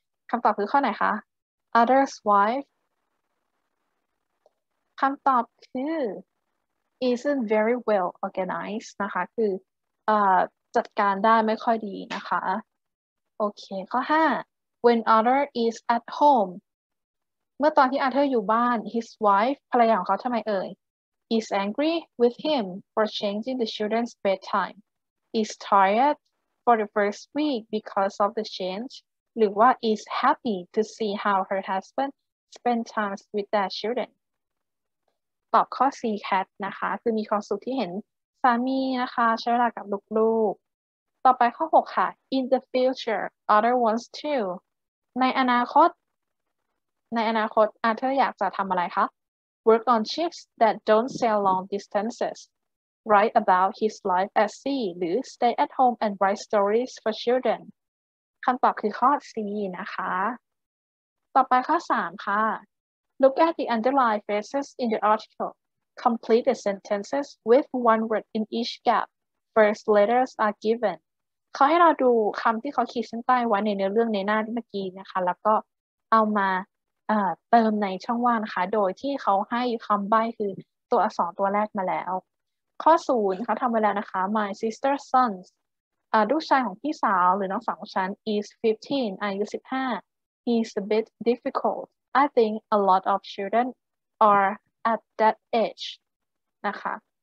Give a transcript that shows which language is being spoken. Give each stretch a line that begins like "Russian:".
Thai: คำตอบคือข้อไหนคะ
English: Other's wife
Thai: คำตอบคือ
English: Isn't very well organized
Thai: นะคะคือจัดการได้ไม่ค่อยดีนะคะโอเคข้อ 5
English: When Other is at home
Thai: เมื่อตอนที่ Other อยู่บ้าน
English: His wife
Thai: ภรรยาของเขาทำไมเอ่ย
English: Is angry with him for changing the children's bedtime. Is tired for the first week because of the change.
Thai: หรือว่า
English: is happy to see how her husband spend time with their children.
Thai: ตอบข้อ 4 cat นะคะคือมีความสุขที่เห็นสามีนะคะใช้เวลากับลูกๆต่อไปข้อ 6 ค่ะ
English: In the future, Other wants to.
Thai: ในอนาคต Arthur อยากจะทำอะไรคะ
English: Work on ships that don't sail long distances. Write about his life at sea
Thai: หรือ
English: stay at home and write stories for children.
Thai: คำตอบคือข้อ 4 นะคะ ต่อไปข้อ 3 ค่ะ
English: Look at the underlying phrases in the article. Complete the sentences with one word in each gap. First letters are given.
Thai: เขาให้เราดูคำที่เขาขีดเส้นใต้ไว้ในเนื้อเรื่องในหน้าที่เมื่อกี้นะคะแล้วก็เอามาเติมในช่องว่างนะคะโดยที่เขาให้คำใบ้คือตัวอักษรตัวแรกมาแล้วข้อ0เขาทำไปแล้วนะคะ
English: My sister's son
Thai: ลูกชายของพี่สาวหรือน้องสาวของฉัน
English: is 15
Thai: อายุ 15
English: he's a bit difficult I think a lot of children are at that age
Thai: นะคะ